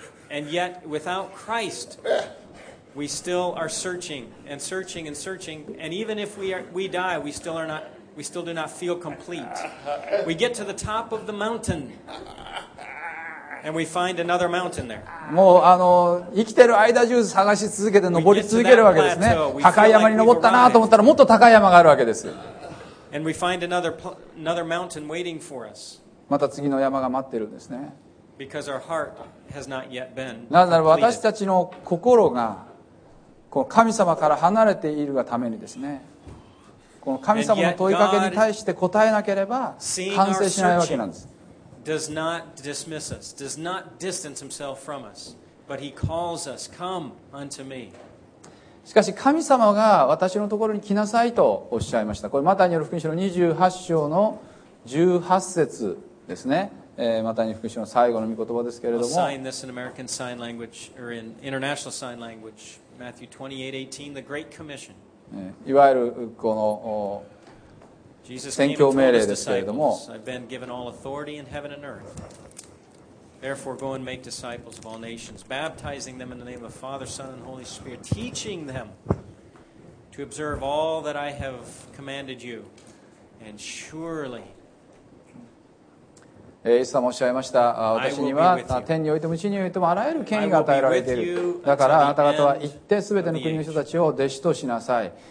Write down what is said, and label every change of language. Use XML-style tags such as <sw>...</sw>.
<en>And yet, without Christ, we still are searching and searching and searching. And even if we die, we still do not feel complete. We get to the top of the mountain, and we find another mountain there.</en> <ja>もう生きてる間中探し続けて登り続けるわけですね。高い山に登ったなと思ったらもっと高い山があるわけです。</ja> <en>And we find another mountain waiting for us.</en> <ja>また次の山が待ってるんですね。</ja> <en>Because our heart has not yet been completed.</en> <ja>なぜなら私たちの心がこの神様から離れているがためにですね、この神様の問いかけに対して答えなければ完成しないわけなんです。</ja> <en>Does not dismiss us, does not distance himself from us, but he calls us, come unto me.</en> <ja>しかし神様が私のところに来なさいとおっしゃいました。これマタイによる福音書の28章の18節ですね。マタイによる福音書の最後の御言葉ですけれども。</ja> <en>I'll sign this in American Sign Language or in International Sign Language, Matthew 28:18, the Great Commission.</en> <ja>いわゆるこの宣教命令ですけれども。</ja> <en>I've been given all authority in heaven and earth. Therefore, go and make disciples of all nations, baptizing them in the name of Father, Son, and Holy Spirit, teaching them to observe all that I have commanded you. And surely,</en> <ja>イエス様おっしゃいました。私には天においても地においてもあらゆる権威が与えられている。だからあなた方は行って全ての国の人たちを弟子としなさい。</ja>